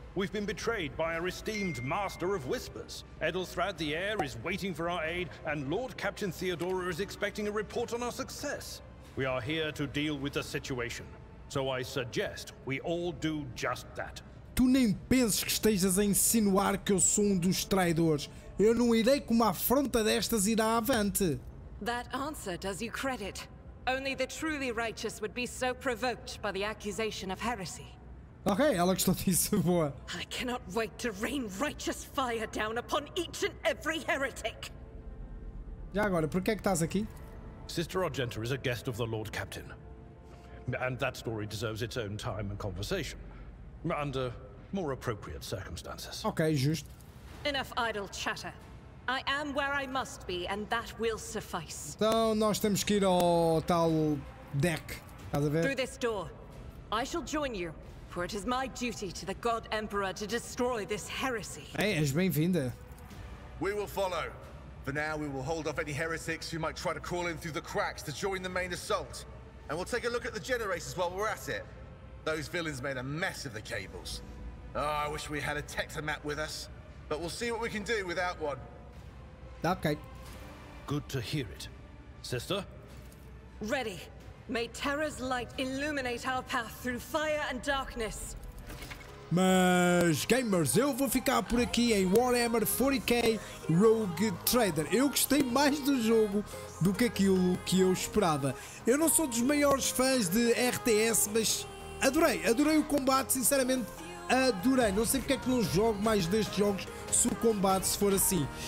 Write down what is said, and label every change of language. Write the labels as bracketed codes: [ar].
[en] We've been betrayed by our esteemed Master of Whispers. Edelthrad the Heir is waiting for our aid, and Lord Captain Theodora is expecting a report on our success. We are here to deal with the situation. So I suggest we all do just that. [pt] Tu nem penses que estejas a insinuar que eu sou um dos traidores. Eu não irei com uma afronta destas ir à avante. [en] That answer does you credit. Only the truly righteous would be so provoked by the accusation of heresy. [pt] Ok, ela gostou disso, boa. [en] I cannot wait to rain righteous fire down upon each and every heretic. [pt] Já agora, por que é que estás aqui? [en] Sister Argenta is a guest of the Lord Captain. And that story deserves its own time and conversation. Under more appropriate circumstances. [pt] Ok, justo. [en] Enough idle chatter. I am where I must be, and that will suffice. [pt] Então nós temos que ir ao tal deck. Estás a ver? [en] Through this door. I shall join you, for it is my duty to the God Emperor to destroy this heresy. [pt] Ei, és bem-vinda. [en] We will follow. For now, we will hold off any heretics who might try to crawl in through the cracks to join the main assault. And we'll take a look at the generators while we're at it. Those villains made a mess of the cables. Oh, I wish we had a tector map with us. But we'll see what we can do without one. Okay. Good to hear it. Sister? Ready. May Terra's light illuminate our path through fire and darkness. [pt] Mas, gamers, eu vou ficar por aqui em Warhammer 40K Rogue Trader. Eu gostei mais do jogo do que aquilo que eu esperava. Eu não sou dos maiores fãs de RTS, mas adorei. Adorei o combate, sinceramente. Adorei, não sei porque é que não jogo mais destes jogos se o combate se for assim.